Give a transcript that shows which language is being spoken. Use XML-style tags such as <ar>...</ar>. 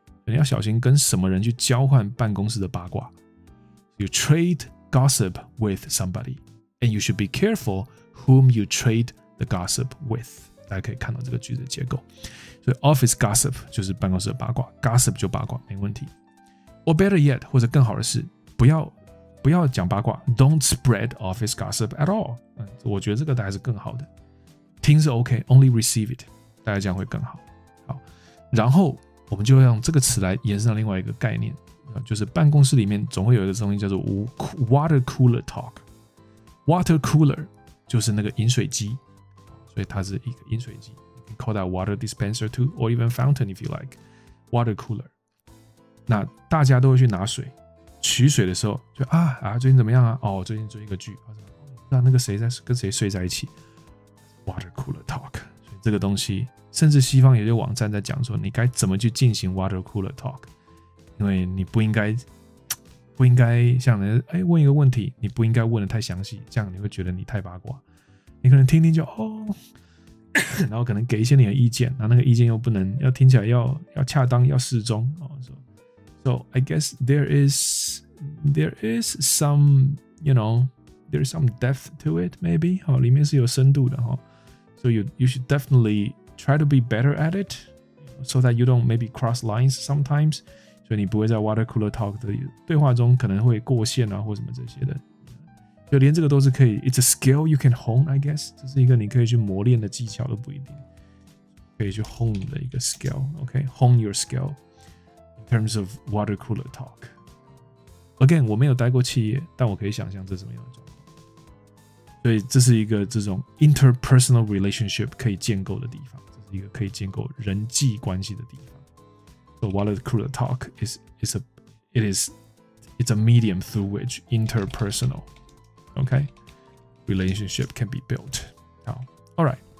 <zh>你要小心跟什么人去交换办公室的八卦。</zh> <en>You trade gossip with somebody, and you should be careful whom you trade the gossip with.</en> <zh>大家可以看到这个句子的结构。所以 office gossip 就是办公室的八卦 ，gossip 就八卦，没问题。</zh> <en>Or better yet，</en> <zh>或者更好的是，不要讲八卦</zh> <en>，don't spread office gossip at all。</en> <zh>我觉得这个还是更好的。听是 OK，</zh> <en>only receive it，</en> <zh>大家这样会更好。好，然后。我们就用这个词来延伸到另外一个概念，就是办公室里面总会有一个东西叫做 water cooler talk。 water cooler 就是那个饮水机，所以它是一个饮水机。</zh> <en>You can call that water dispenser too, or even fountain if you like. water cooler。</en> <zh>那大家都会去拿水，取水的时候就啊最近怎么样啊？哦，最近追一个剧，那那个谁在跟谁睡在一起 ？water cooler talk。所以这个东西。甚至西方有些网站在讲说你该怎么去进行 water cooler talk， 因为你不应该像人家问一个问题，你不应该问的太详细，这样你会觉得你太八卦，你可能听听就哦，然后可能给一些你的意见，那个意见又不能要听起来要恰当要适中哦。</zh> <en>So I guess there is some you know there's some depth to it maybe</en> <zh>哦，里面是有深度的哦。</zh> <en>So you should definitelytry to be better at it so that you don't maybe cross lines sometimes.</en> <zh>所以你不会在 water cooler talk 的对话中可能会过线啊或什么这些的。就连这个都是可以</zh> <en>it's a skill you can hone, I guess.</en> <zh>这是一个你可以去磨练的技巧都不一定。可以去 hone 的一个 skill, okay?</zh> <en>Hone your skill in terms of water cooler talk.</en> <zh>Again, 我没有待过企业但我可以想象这是什么样的状况。所以这是一个这种 interpersonal relationship 可以建构的地方。一个可以建构人际关系的地方。</zh> <en>So water cooler talk is a medium through which interpersonal, okay, relationship can be built. 好 ，All right.</en>